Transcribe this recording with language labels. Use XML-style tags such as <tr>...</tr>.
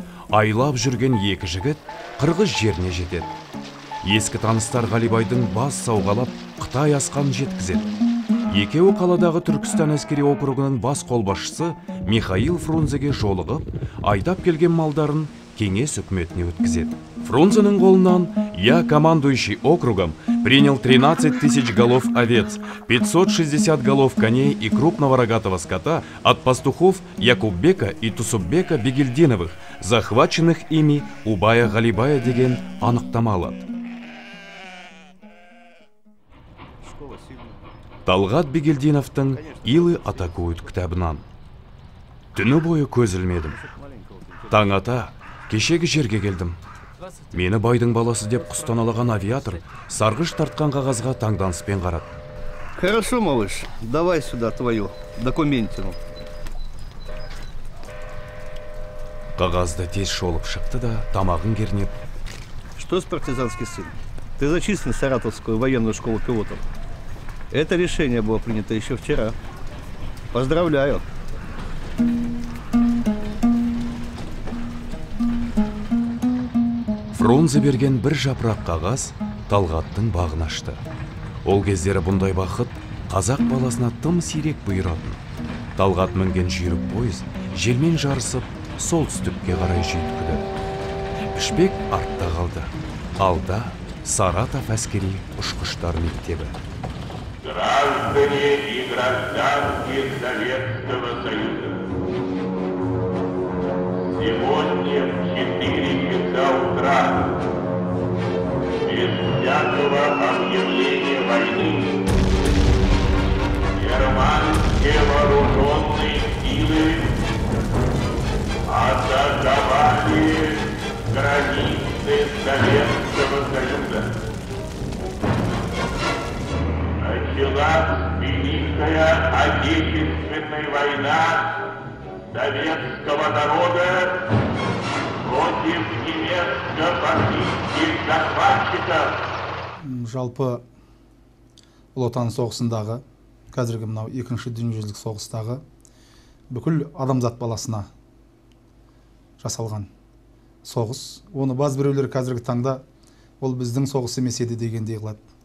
<kk>Айлап жүрген екі жігіт қырғыз жеріне жетеді. Ескі таныстар Ғалибайдың бас сауғалап Қытай асқанын жеткізеді. Екеуі қаладағы Түркістан әскери округының бас қолбасшысы Михаил Фрунзеге жолығып, айдап келген малдарын кеңес үкіметіне өткізеді. Фрунзенің қолынан</kk> <ru>«Я командующий округом принял 13 тысяч голов овец, 560 голов коней и крупного рогатого скота от пастухов Якуббека и Тусуббека Бегелдиновых, захваченных ими у бая Ғалибая»</ru> <kk>деген анықтамалады. Талғат Бегелдиновтың «Илы атакуют» кітабынан. Түні бойы көз ілмедім. Таң ата, кешегі жерге келдім. Мені байдың баласы деп құстаналаған авиатор сарғыш тартқан қағазға таңданыспен қарады.</kk> <ru>Хорошо, малыш, давай сюда твою документину.</ru> <kk>Қағазды тез шолып шықты да тамағын кернеп.</kk> <ru>Что с партизанский сын? Ты зачислен в Саратовскую военную школу пилотов. Это решение было принято еще вчера. Поздравляю.</ru> <kk>Фрунзе берген бір жапырақ қағаз Талғаттың бағын ашты. Ол кездері бұндай бақыт қазақ баласына тым сирек бұйыратын. Талғат мінген жүйрік пойыз желмен жарысып сол түстікке қарай жүйткіді. Пішпек артта қалды. Алда Саратов әскери ұшқыштар мектебі.</kk> <ru>Граждане и гражданки Советского Союза, сегодня в 4 часа утра, без всякого объявления войны, германские вооруженные силы атаковали границы Советского Союза. Началась Великая Отечественная война советского народа против немецко-фашистских захватчиков.</ru> <kk>Жалпы Ұлы Отан соғысындағы, қазіргі мынау екінші дүниежүзілік соғыстағы бүкіл адамзат баласына жасалған соғыс. Оны баз біреулер қазіргі таңда ол біздің соғыс емес еді дегенде қылады.</kk>